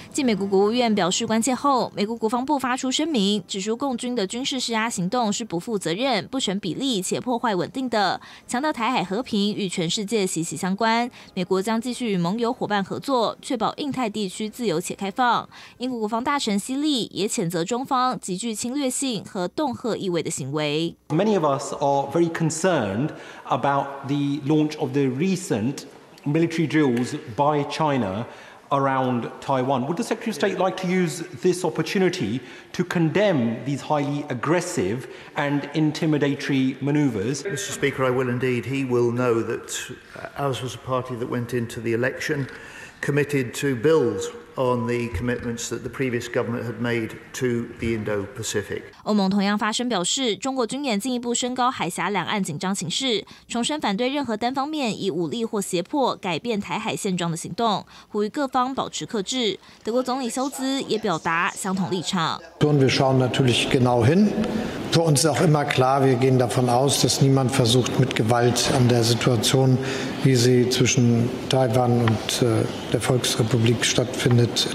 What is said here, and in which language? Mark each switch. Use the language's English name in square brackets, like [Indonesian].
[Chinese] 继美国国务院表示关切后，美国国防部发出声明，指出共军的军事施压行动是不负责任、不成比例且破坏稳定的，强调台海和平与全世界息息相关。美国将继续与盟友伙伴合作，确保印太地区自由且开放。英国国防大臣希利也谴责中方极具侵略性和恫吓意味的行为。 [English] Many of us are very concerned about. The launch of the recent military drills by China around Taiwan. Would the Secretary of State like to use this opportunity to condemn these highly aggressive and intimidatory manoeuvres? Mr. Speaker, I will indeed. He will know that ours was a party that went into the election committed to build. On the commitments that the previous government had made to the Indo-Pacific. [Chinese] 欧盟同样发声表示，中国军演进一步升高海峡两岸紧张情势，重申反对任何单方面以武力或胁迫改变台海现状的行动，呼吁各方保持克制。德国总理休兹也表达相同立场。 [German] Und wir schauen natürlich genau hin. Für uns ist auch immer klar, wir gehen davon aus, dass niemand versucht, mit Gewalt an der Situation, wie sie zwischen Taiwan und der Volksrepublik stattfindet.